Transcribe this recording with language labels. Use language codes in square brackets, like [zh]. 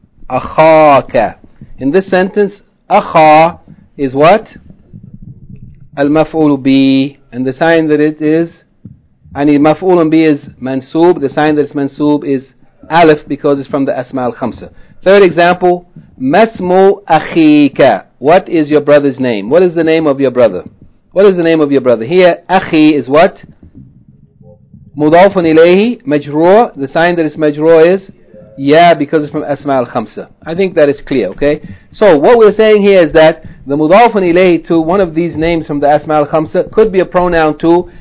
[ar] أخاك. [en] In this sentence, أخا is what? [ar] المفعول بي. [en] And the sign that it is, [ar] يعني مفعول بي [en] is منسوب. The sign that it's منسوب is ألف, because it's from the أسماء الخمسة. Third example, [ar] ما اسم أخيك. [en] What is your brother's name? What is the name of your brother? What is the name of your brother? Here, أخي is what? [ar] مضافن إليه مجرور. [en] The sign that it's مجرور is? Yeah, because it's from أسماء الخمسة. I think that is clear, okay? So, what we're saying here is that the مضافن إليه to one of these names from the أسماء الخمسة could be a pronoun too.